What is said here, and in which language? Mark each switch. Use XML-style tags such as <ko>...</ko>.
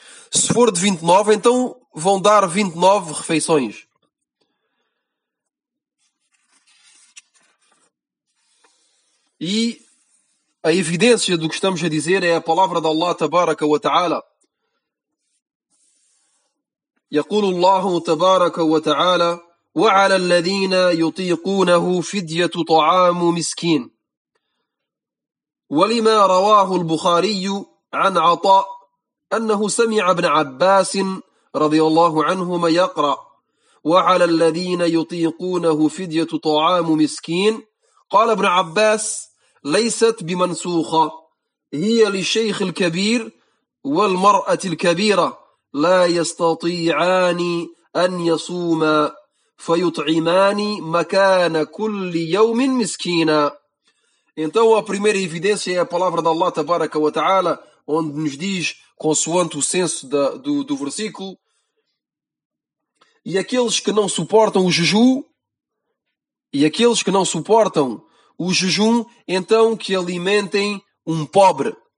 <pt>Se for de 29, então vão dar 29 refeições. E a evidência do que estamos a dizer é a palavra de Allah tabaraka wa ta'ala.</pt> <ar>يقول الله تبارك وتعالى وعلى الذين يطيقونه فدية طعام مسكين. ولما رواه البخاري عن عطاء أنه سمع ابن عباس رضي الله عنهما يقرأ: وعلى الذين يطيقونه فدية طعام مسكين. قال ابن عباس: ليست بمنسوخة، هي للشيخ الكبير والمرأة الكبيرة، لا يستطيعان أن يصوما فيطعمان مكان كل يوم مسكينا.</ar> <pt>Então a primeira evidência é a palavra de Allah tabaraka wa ta'ala, onde nos diz, consoante o senso do versículo: e aqueles que não suportam o jejum, então que alimentem um pobre.</pt>